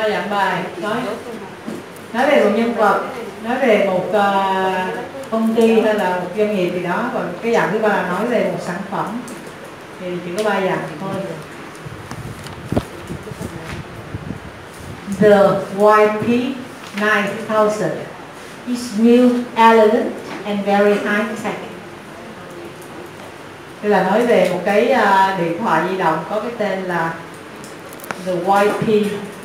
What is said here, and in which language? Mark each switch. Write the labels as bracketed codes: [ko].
[vi] Bài nói về một nhân vật, nói về một công ty hay là một doanh nghiệp gì đó, còn cái dạng thứ ba là nói về một sản phẩm, thì chỉ có ba dạng thôi. [en] The YP 9000 is new, elegant and very high tech. [vi] Đây là nói về một cái điện thoại di động có cái tên là the YP 9000.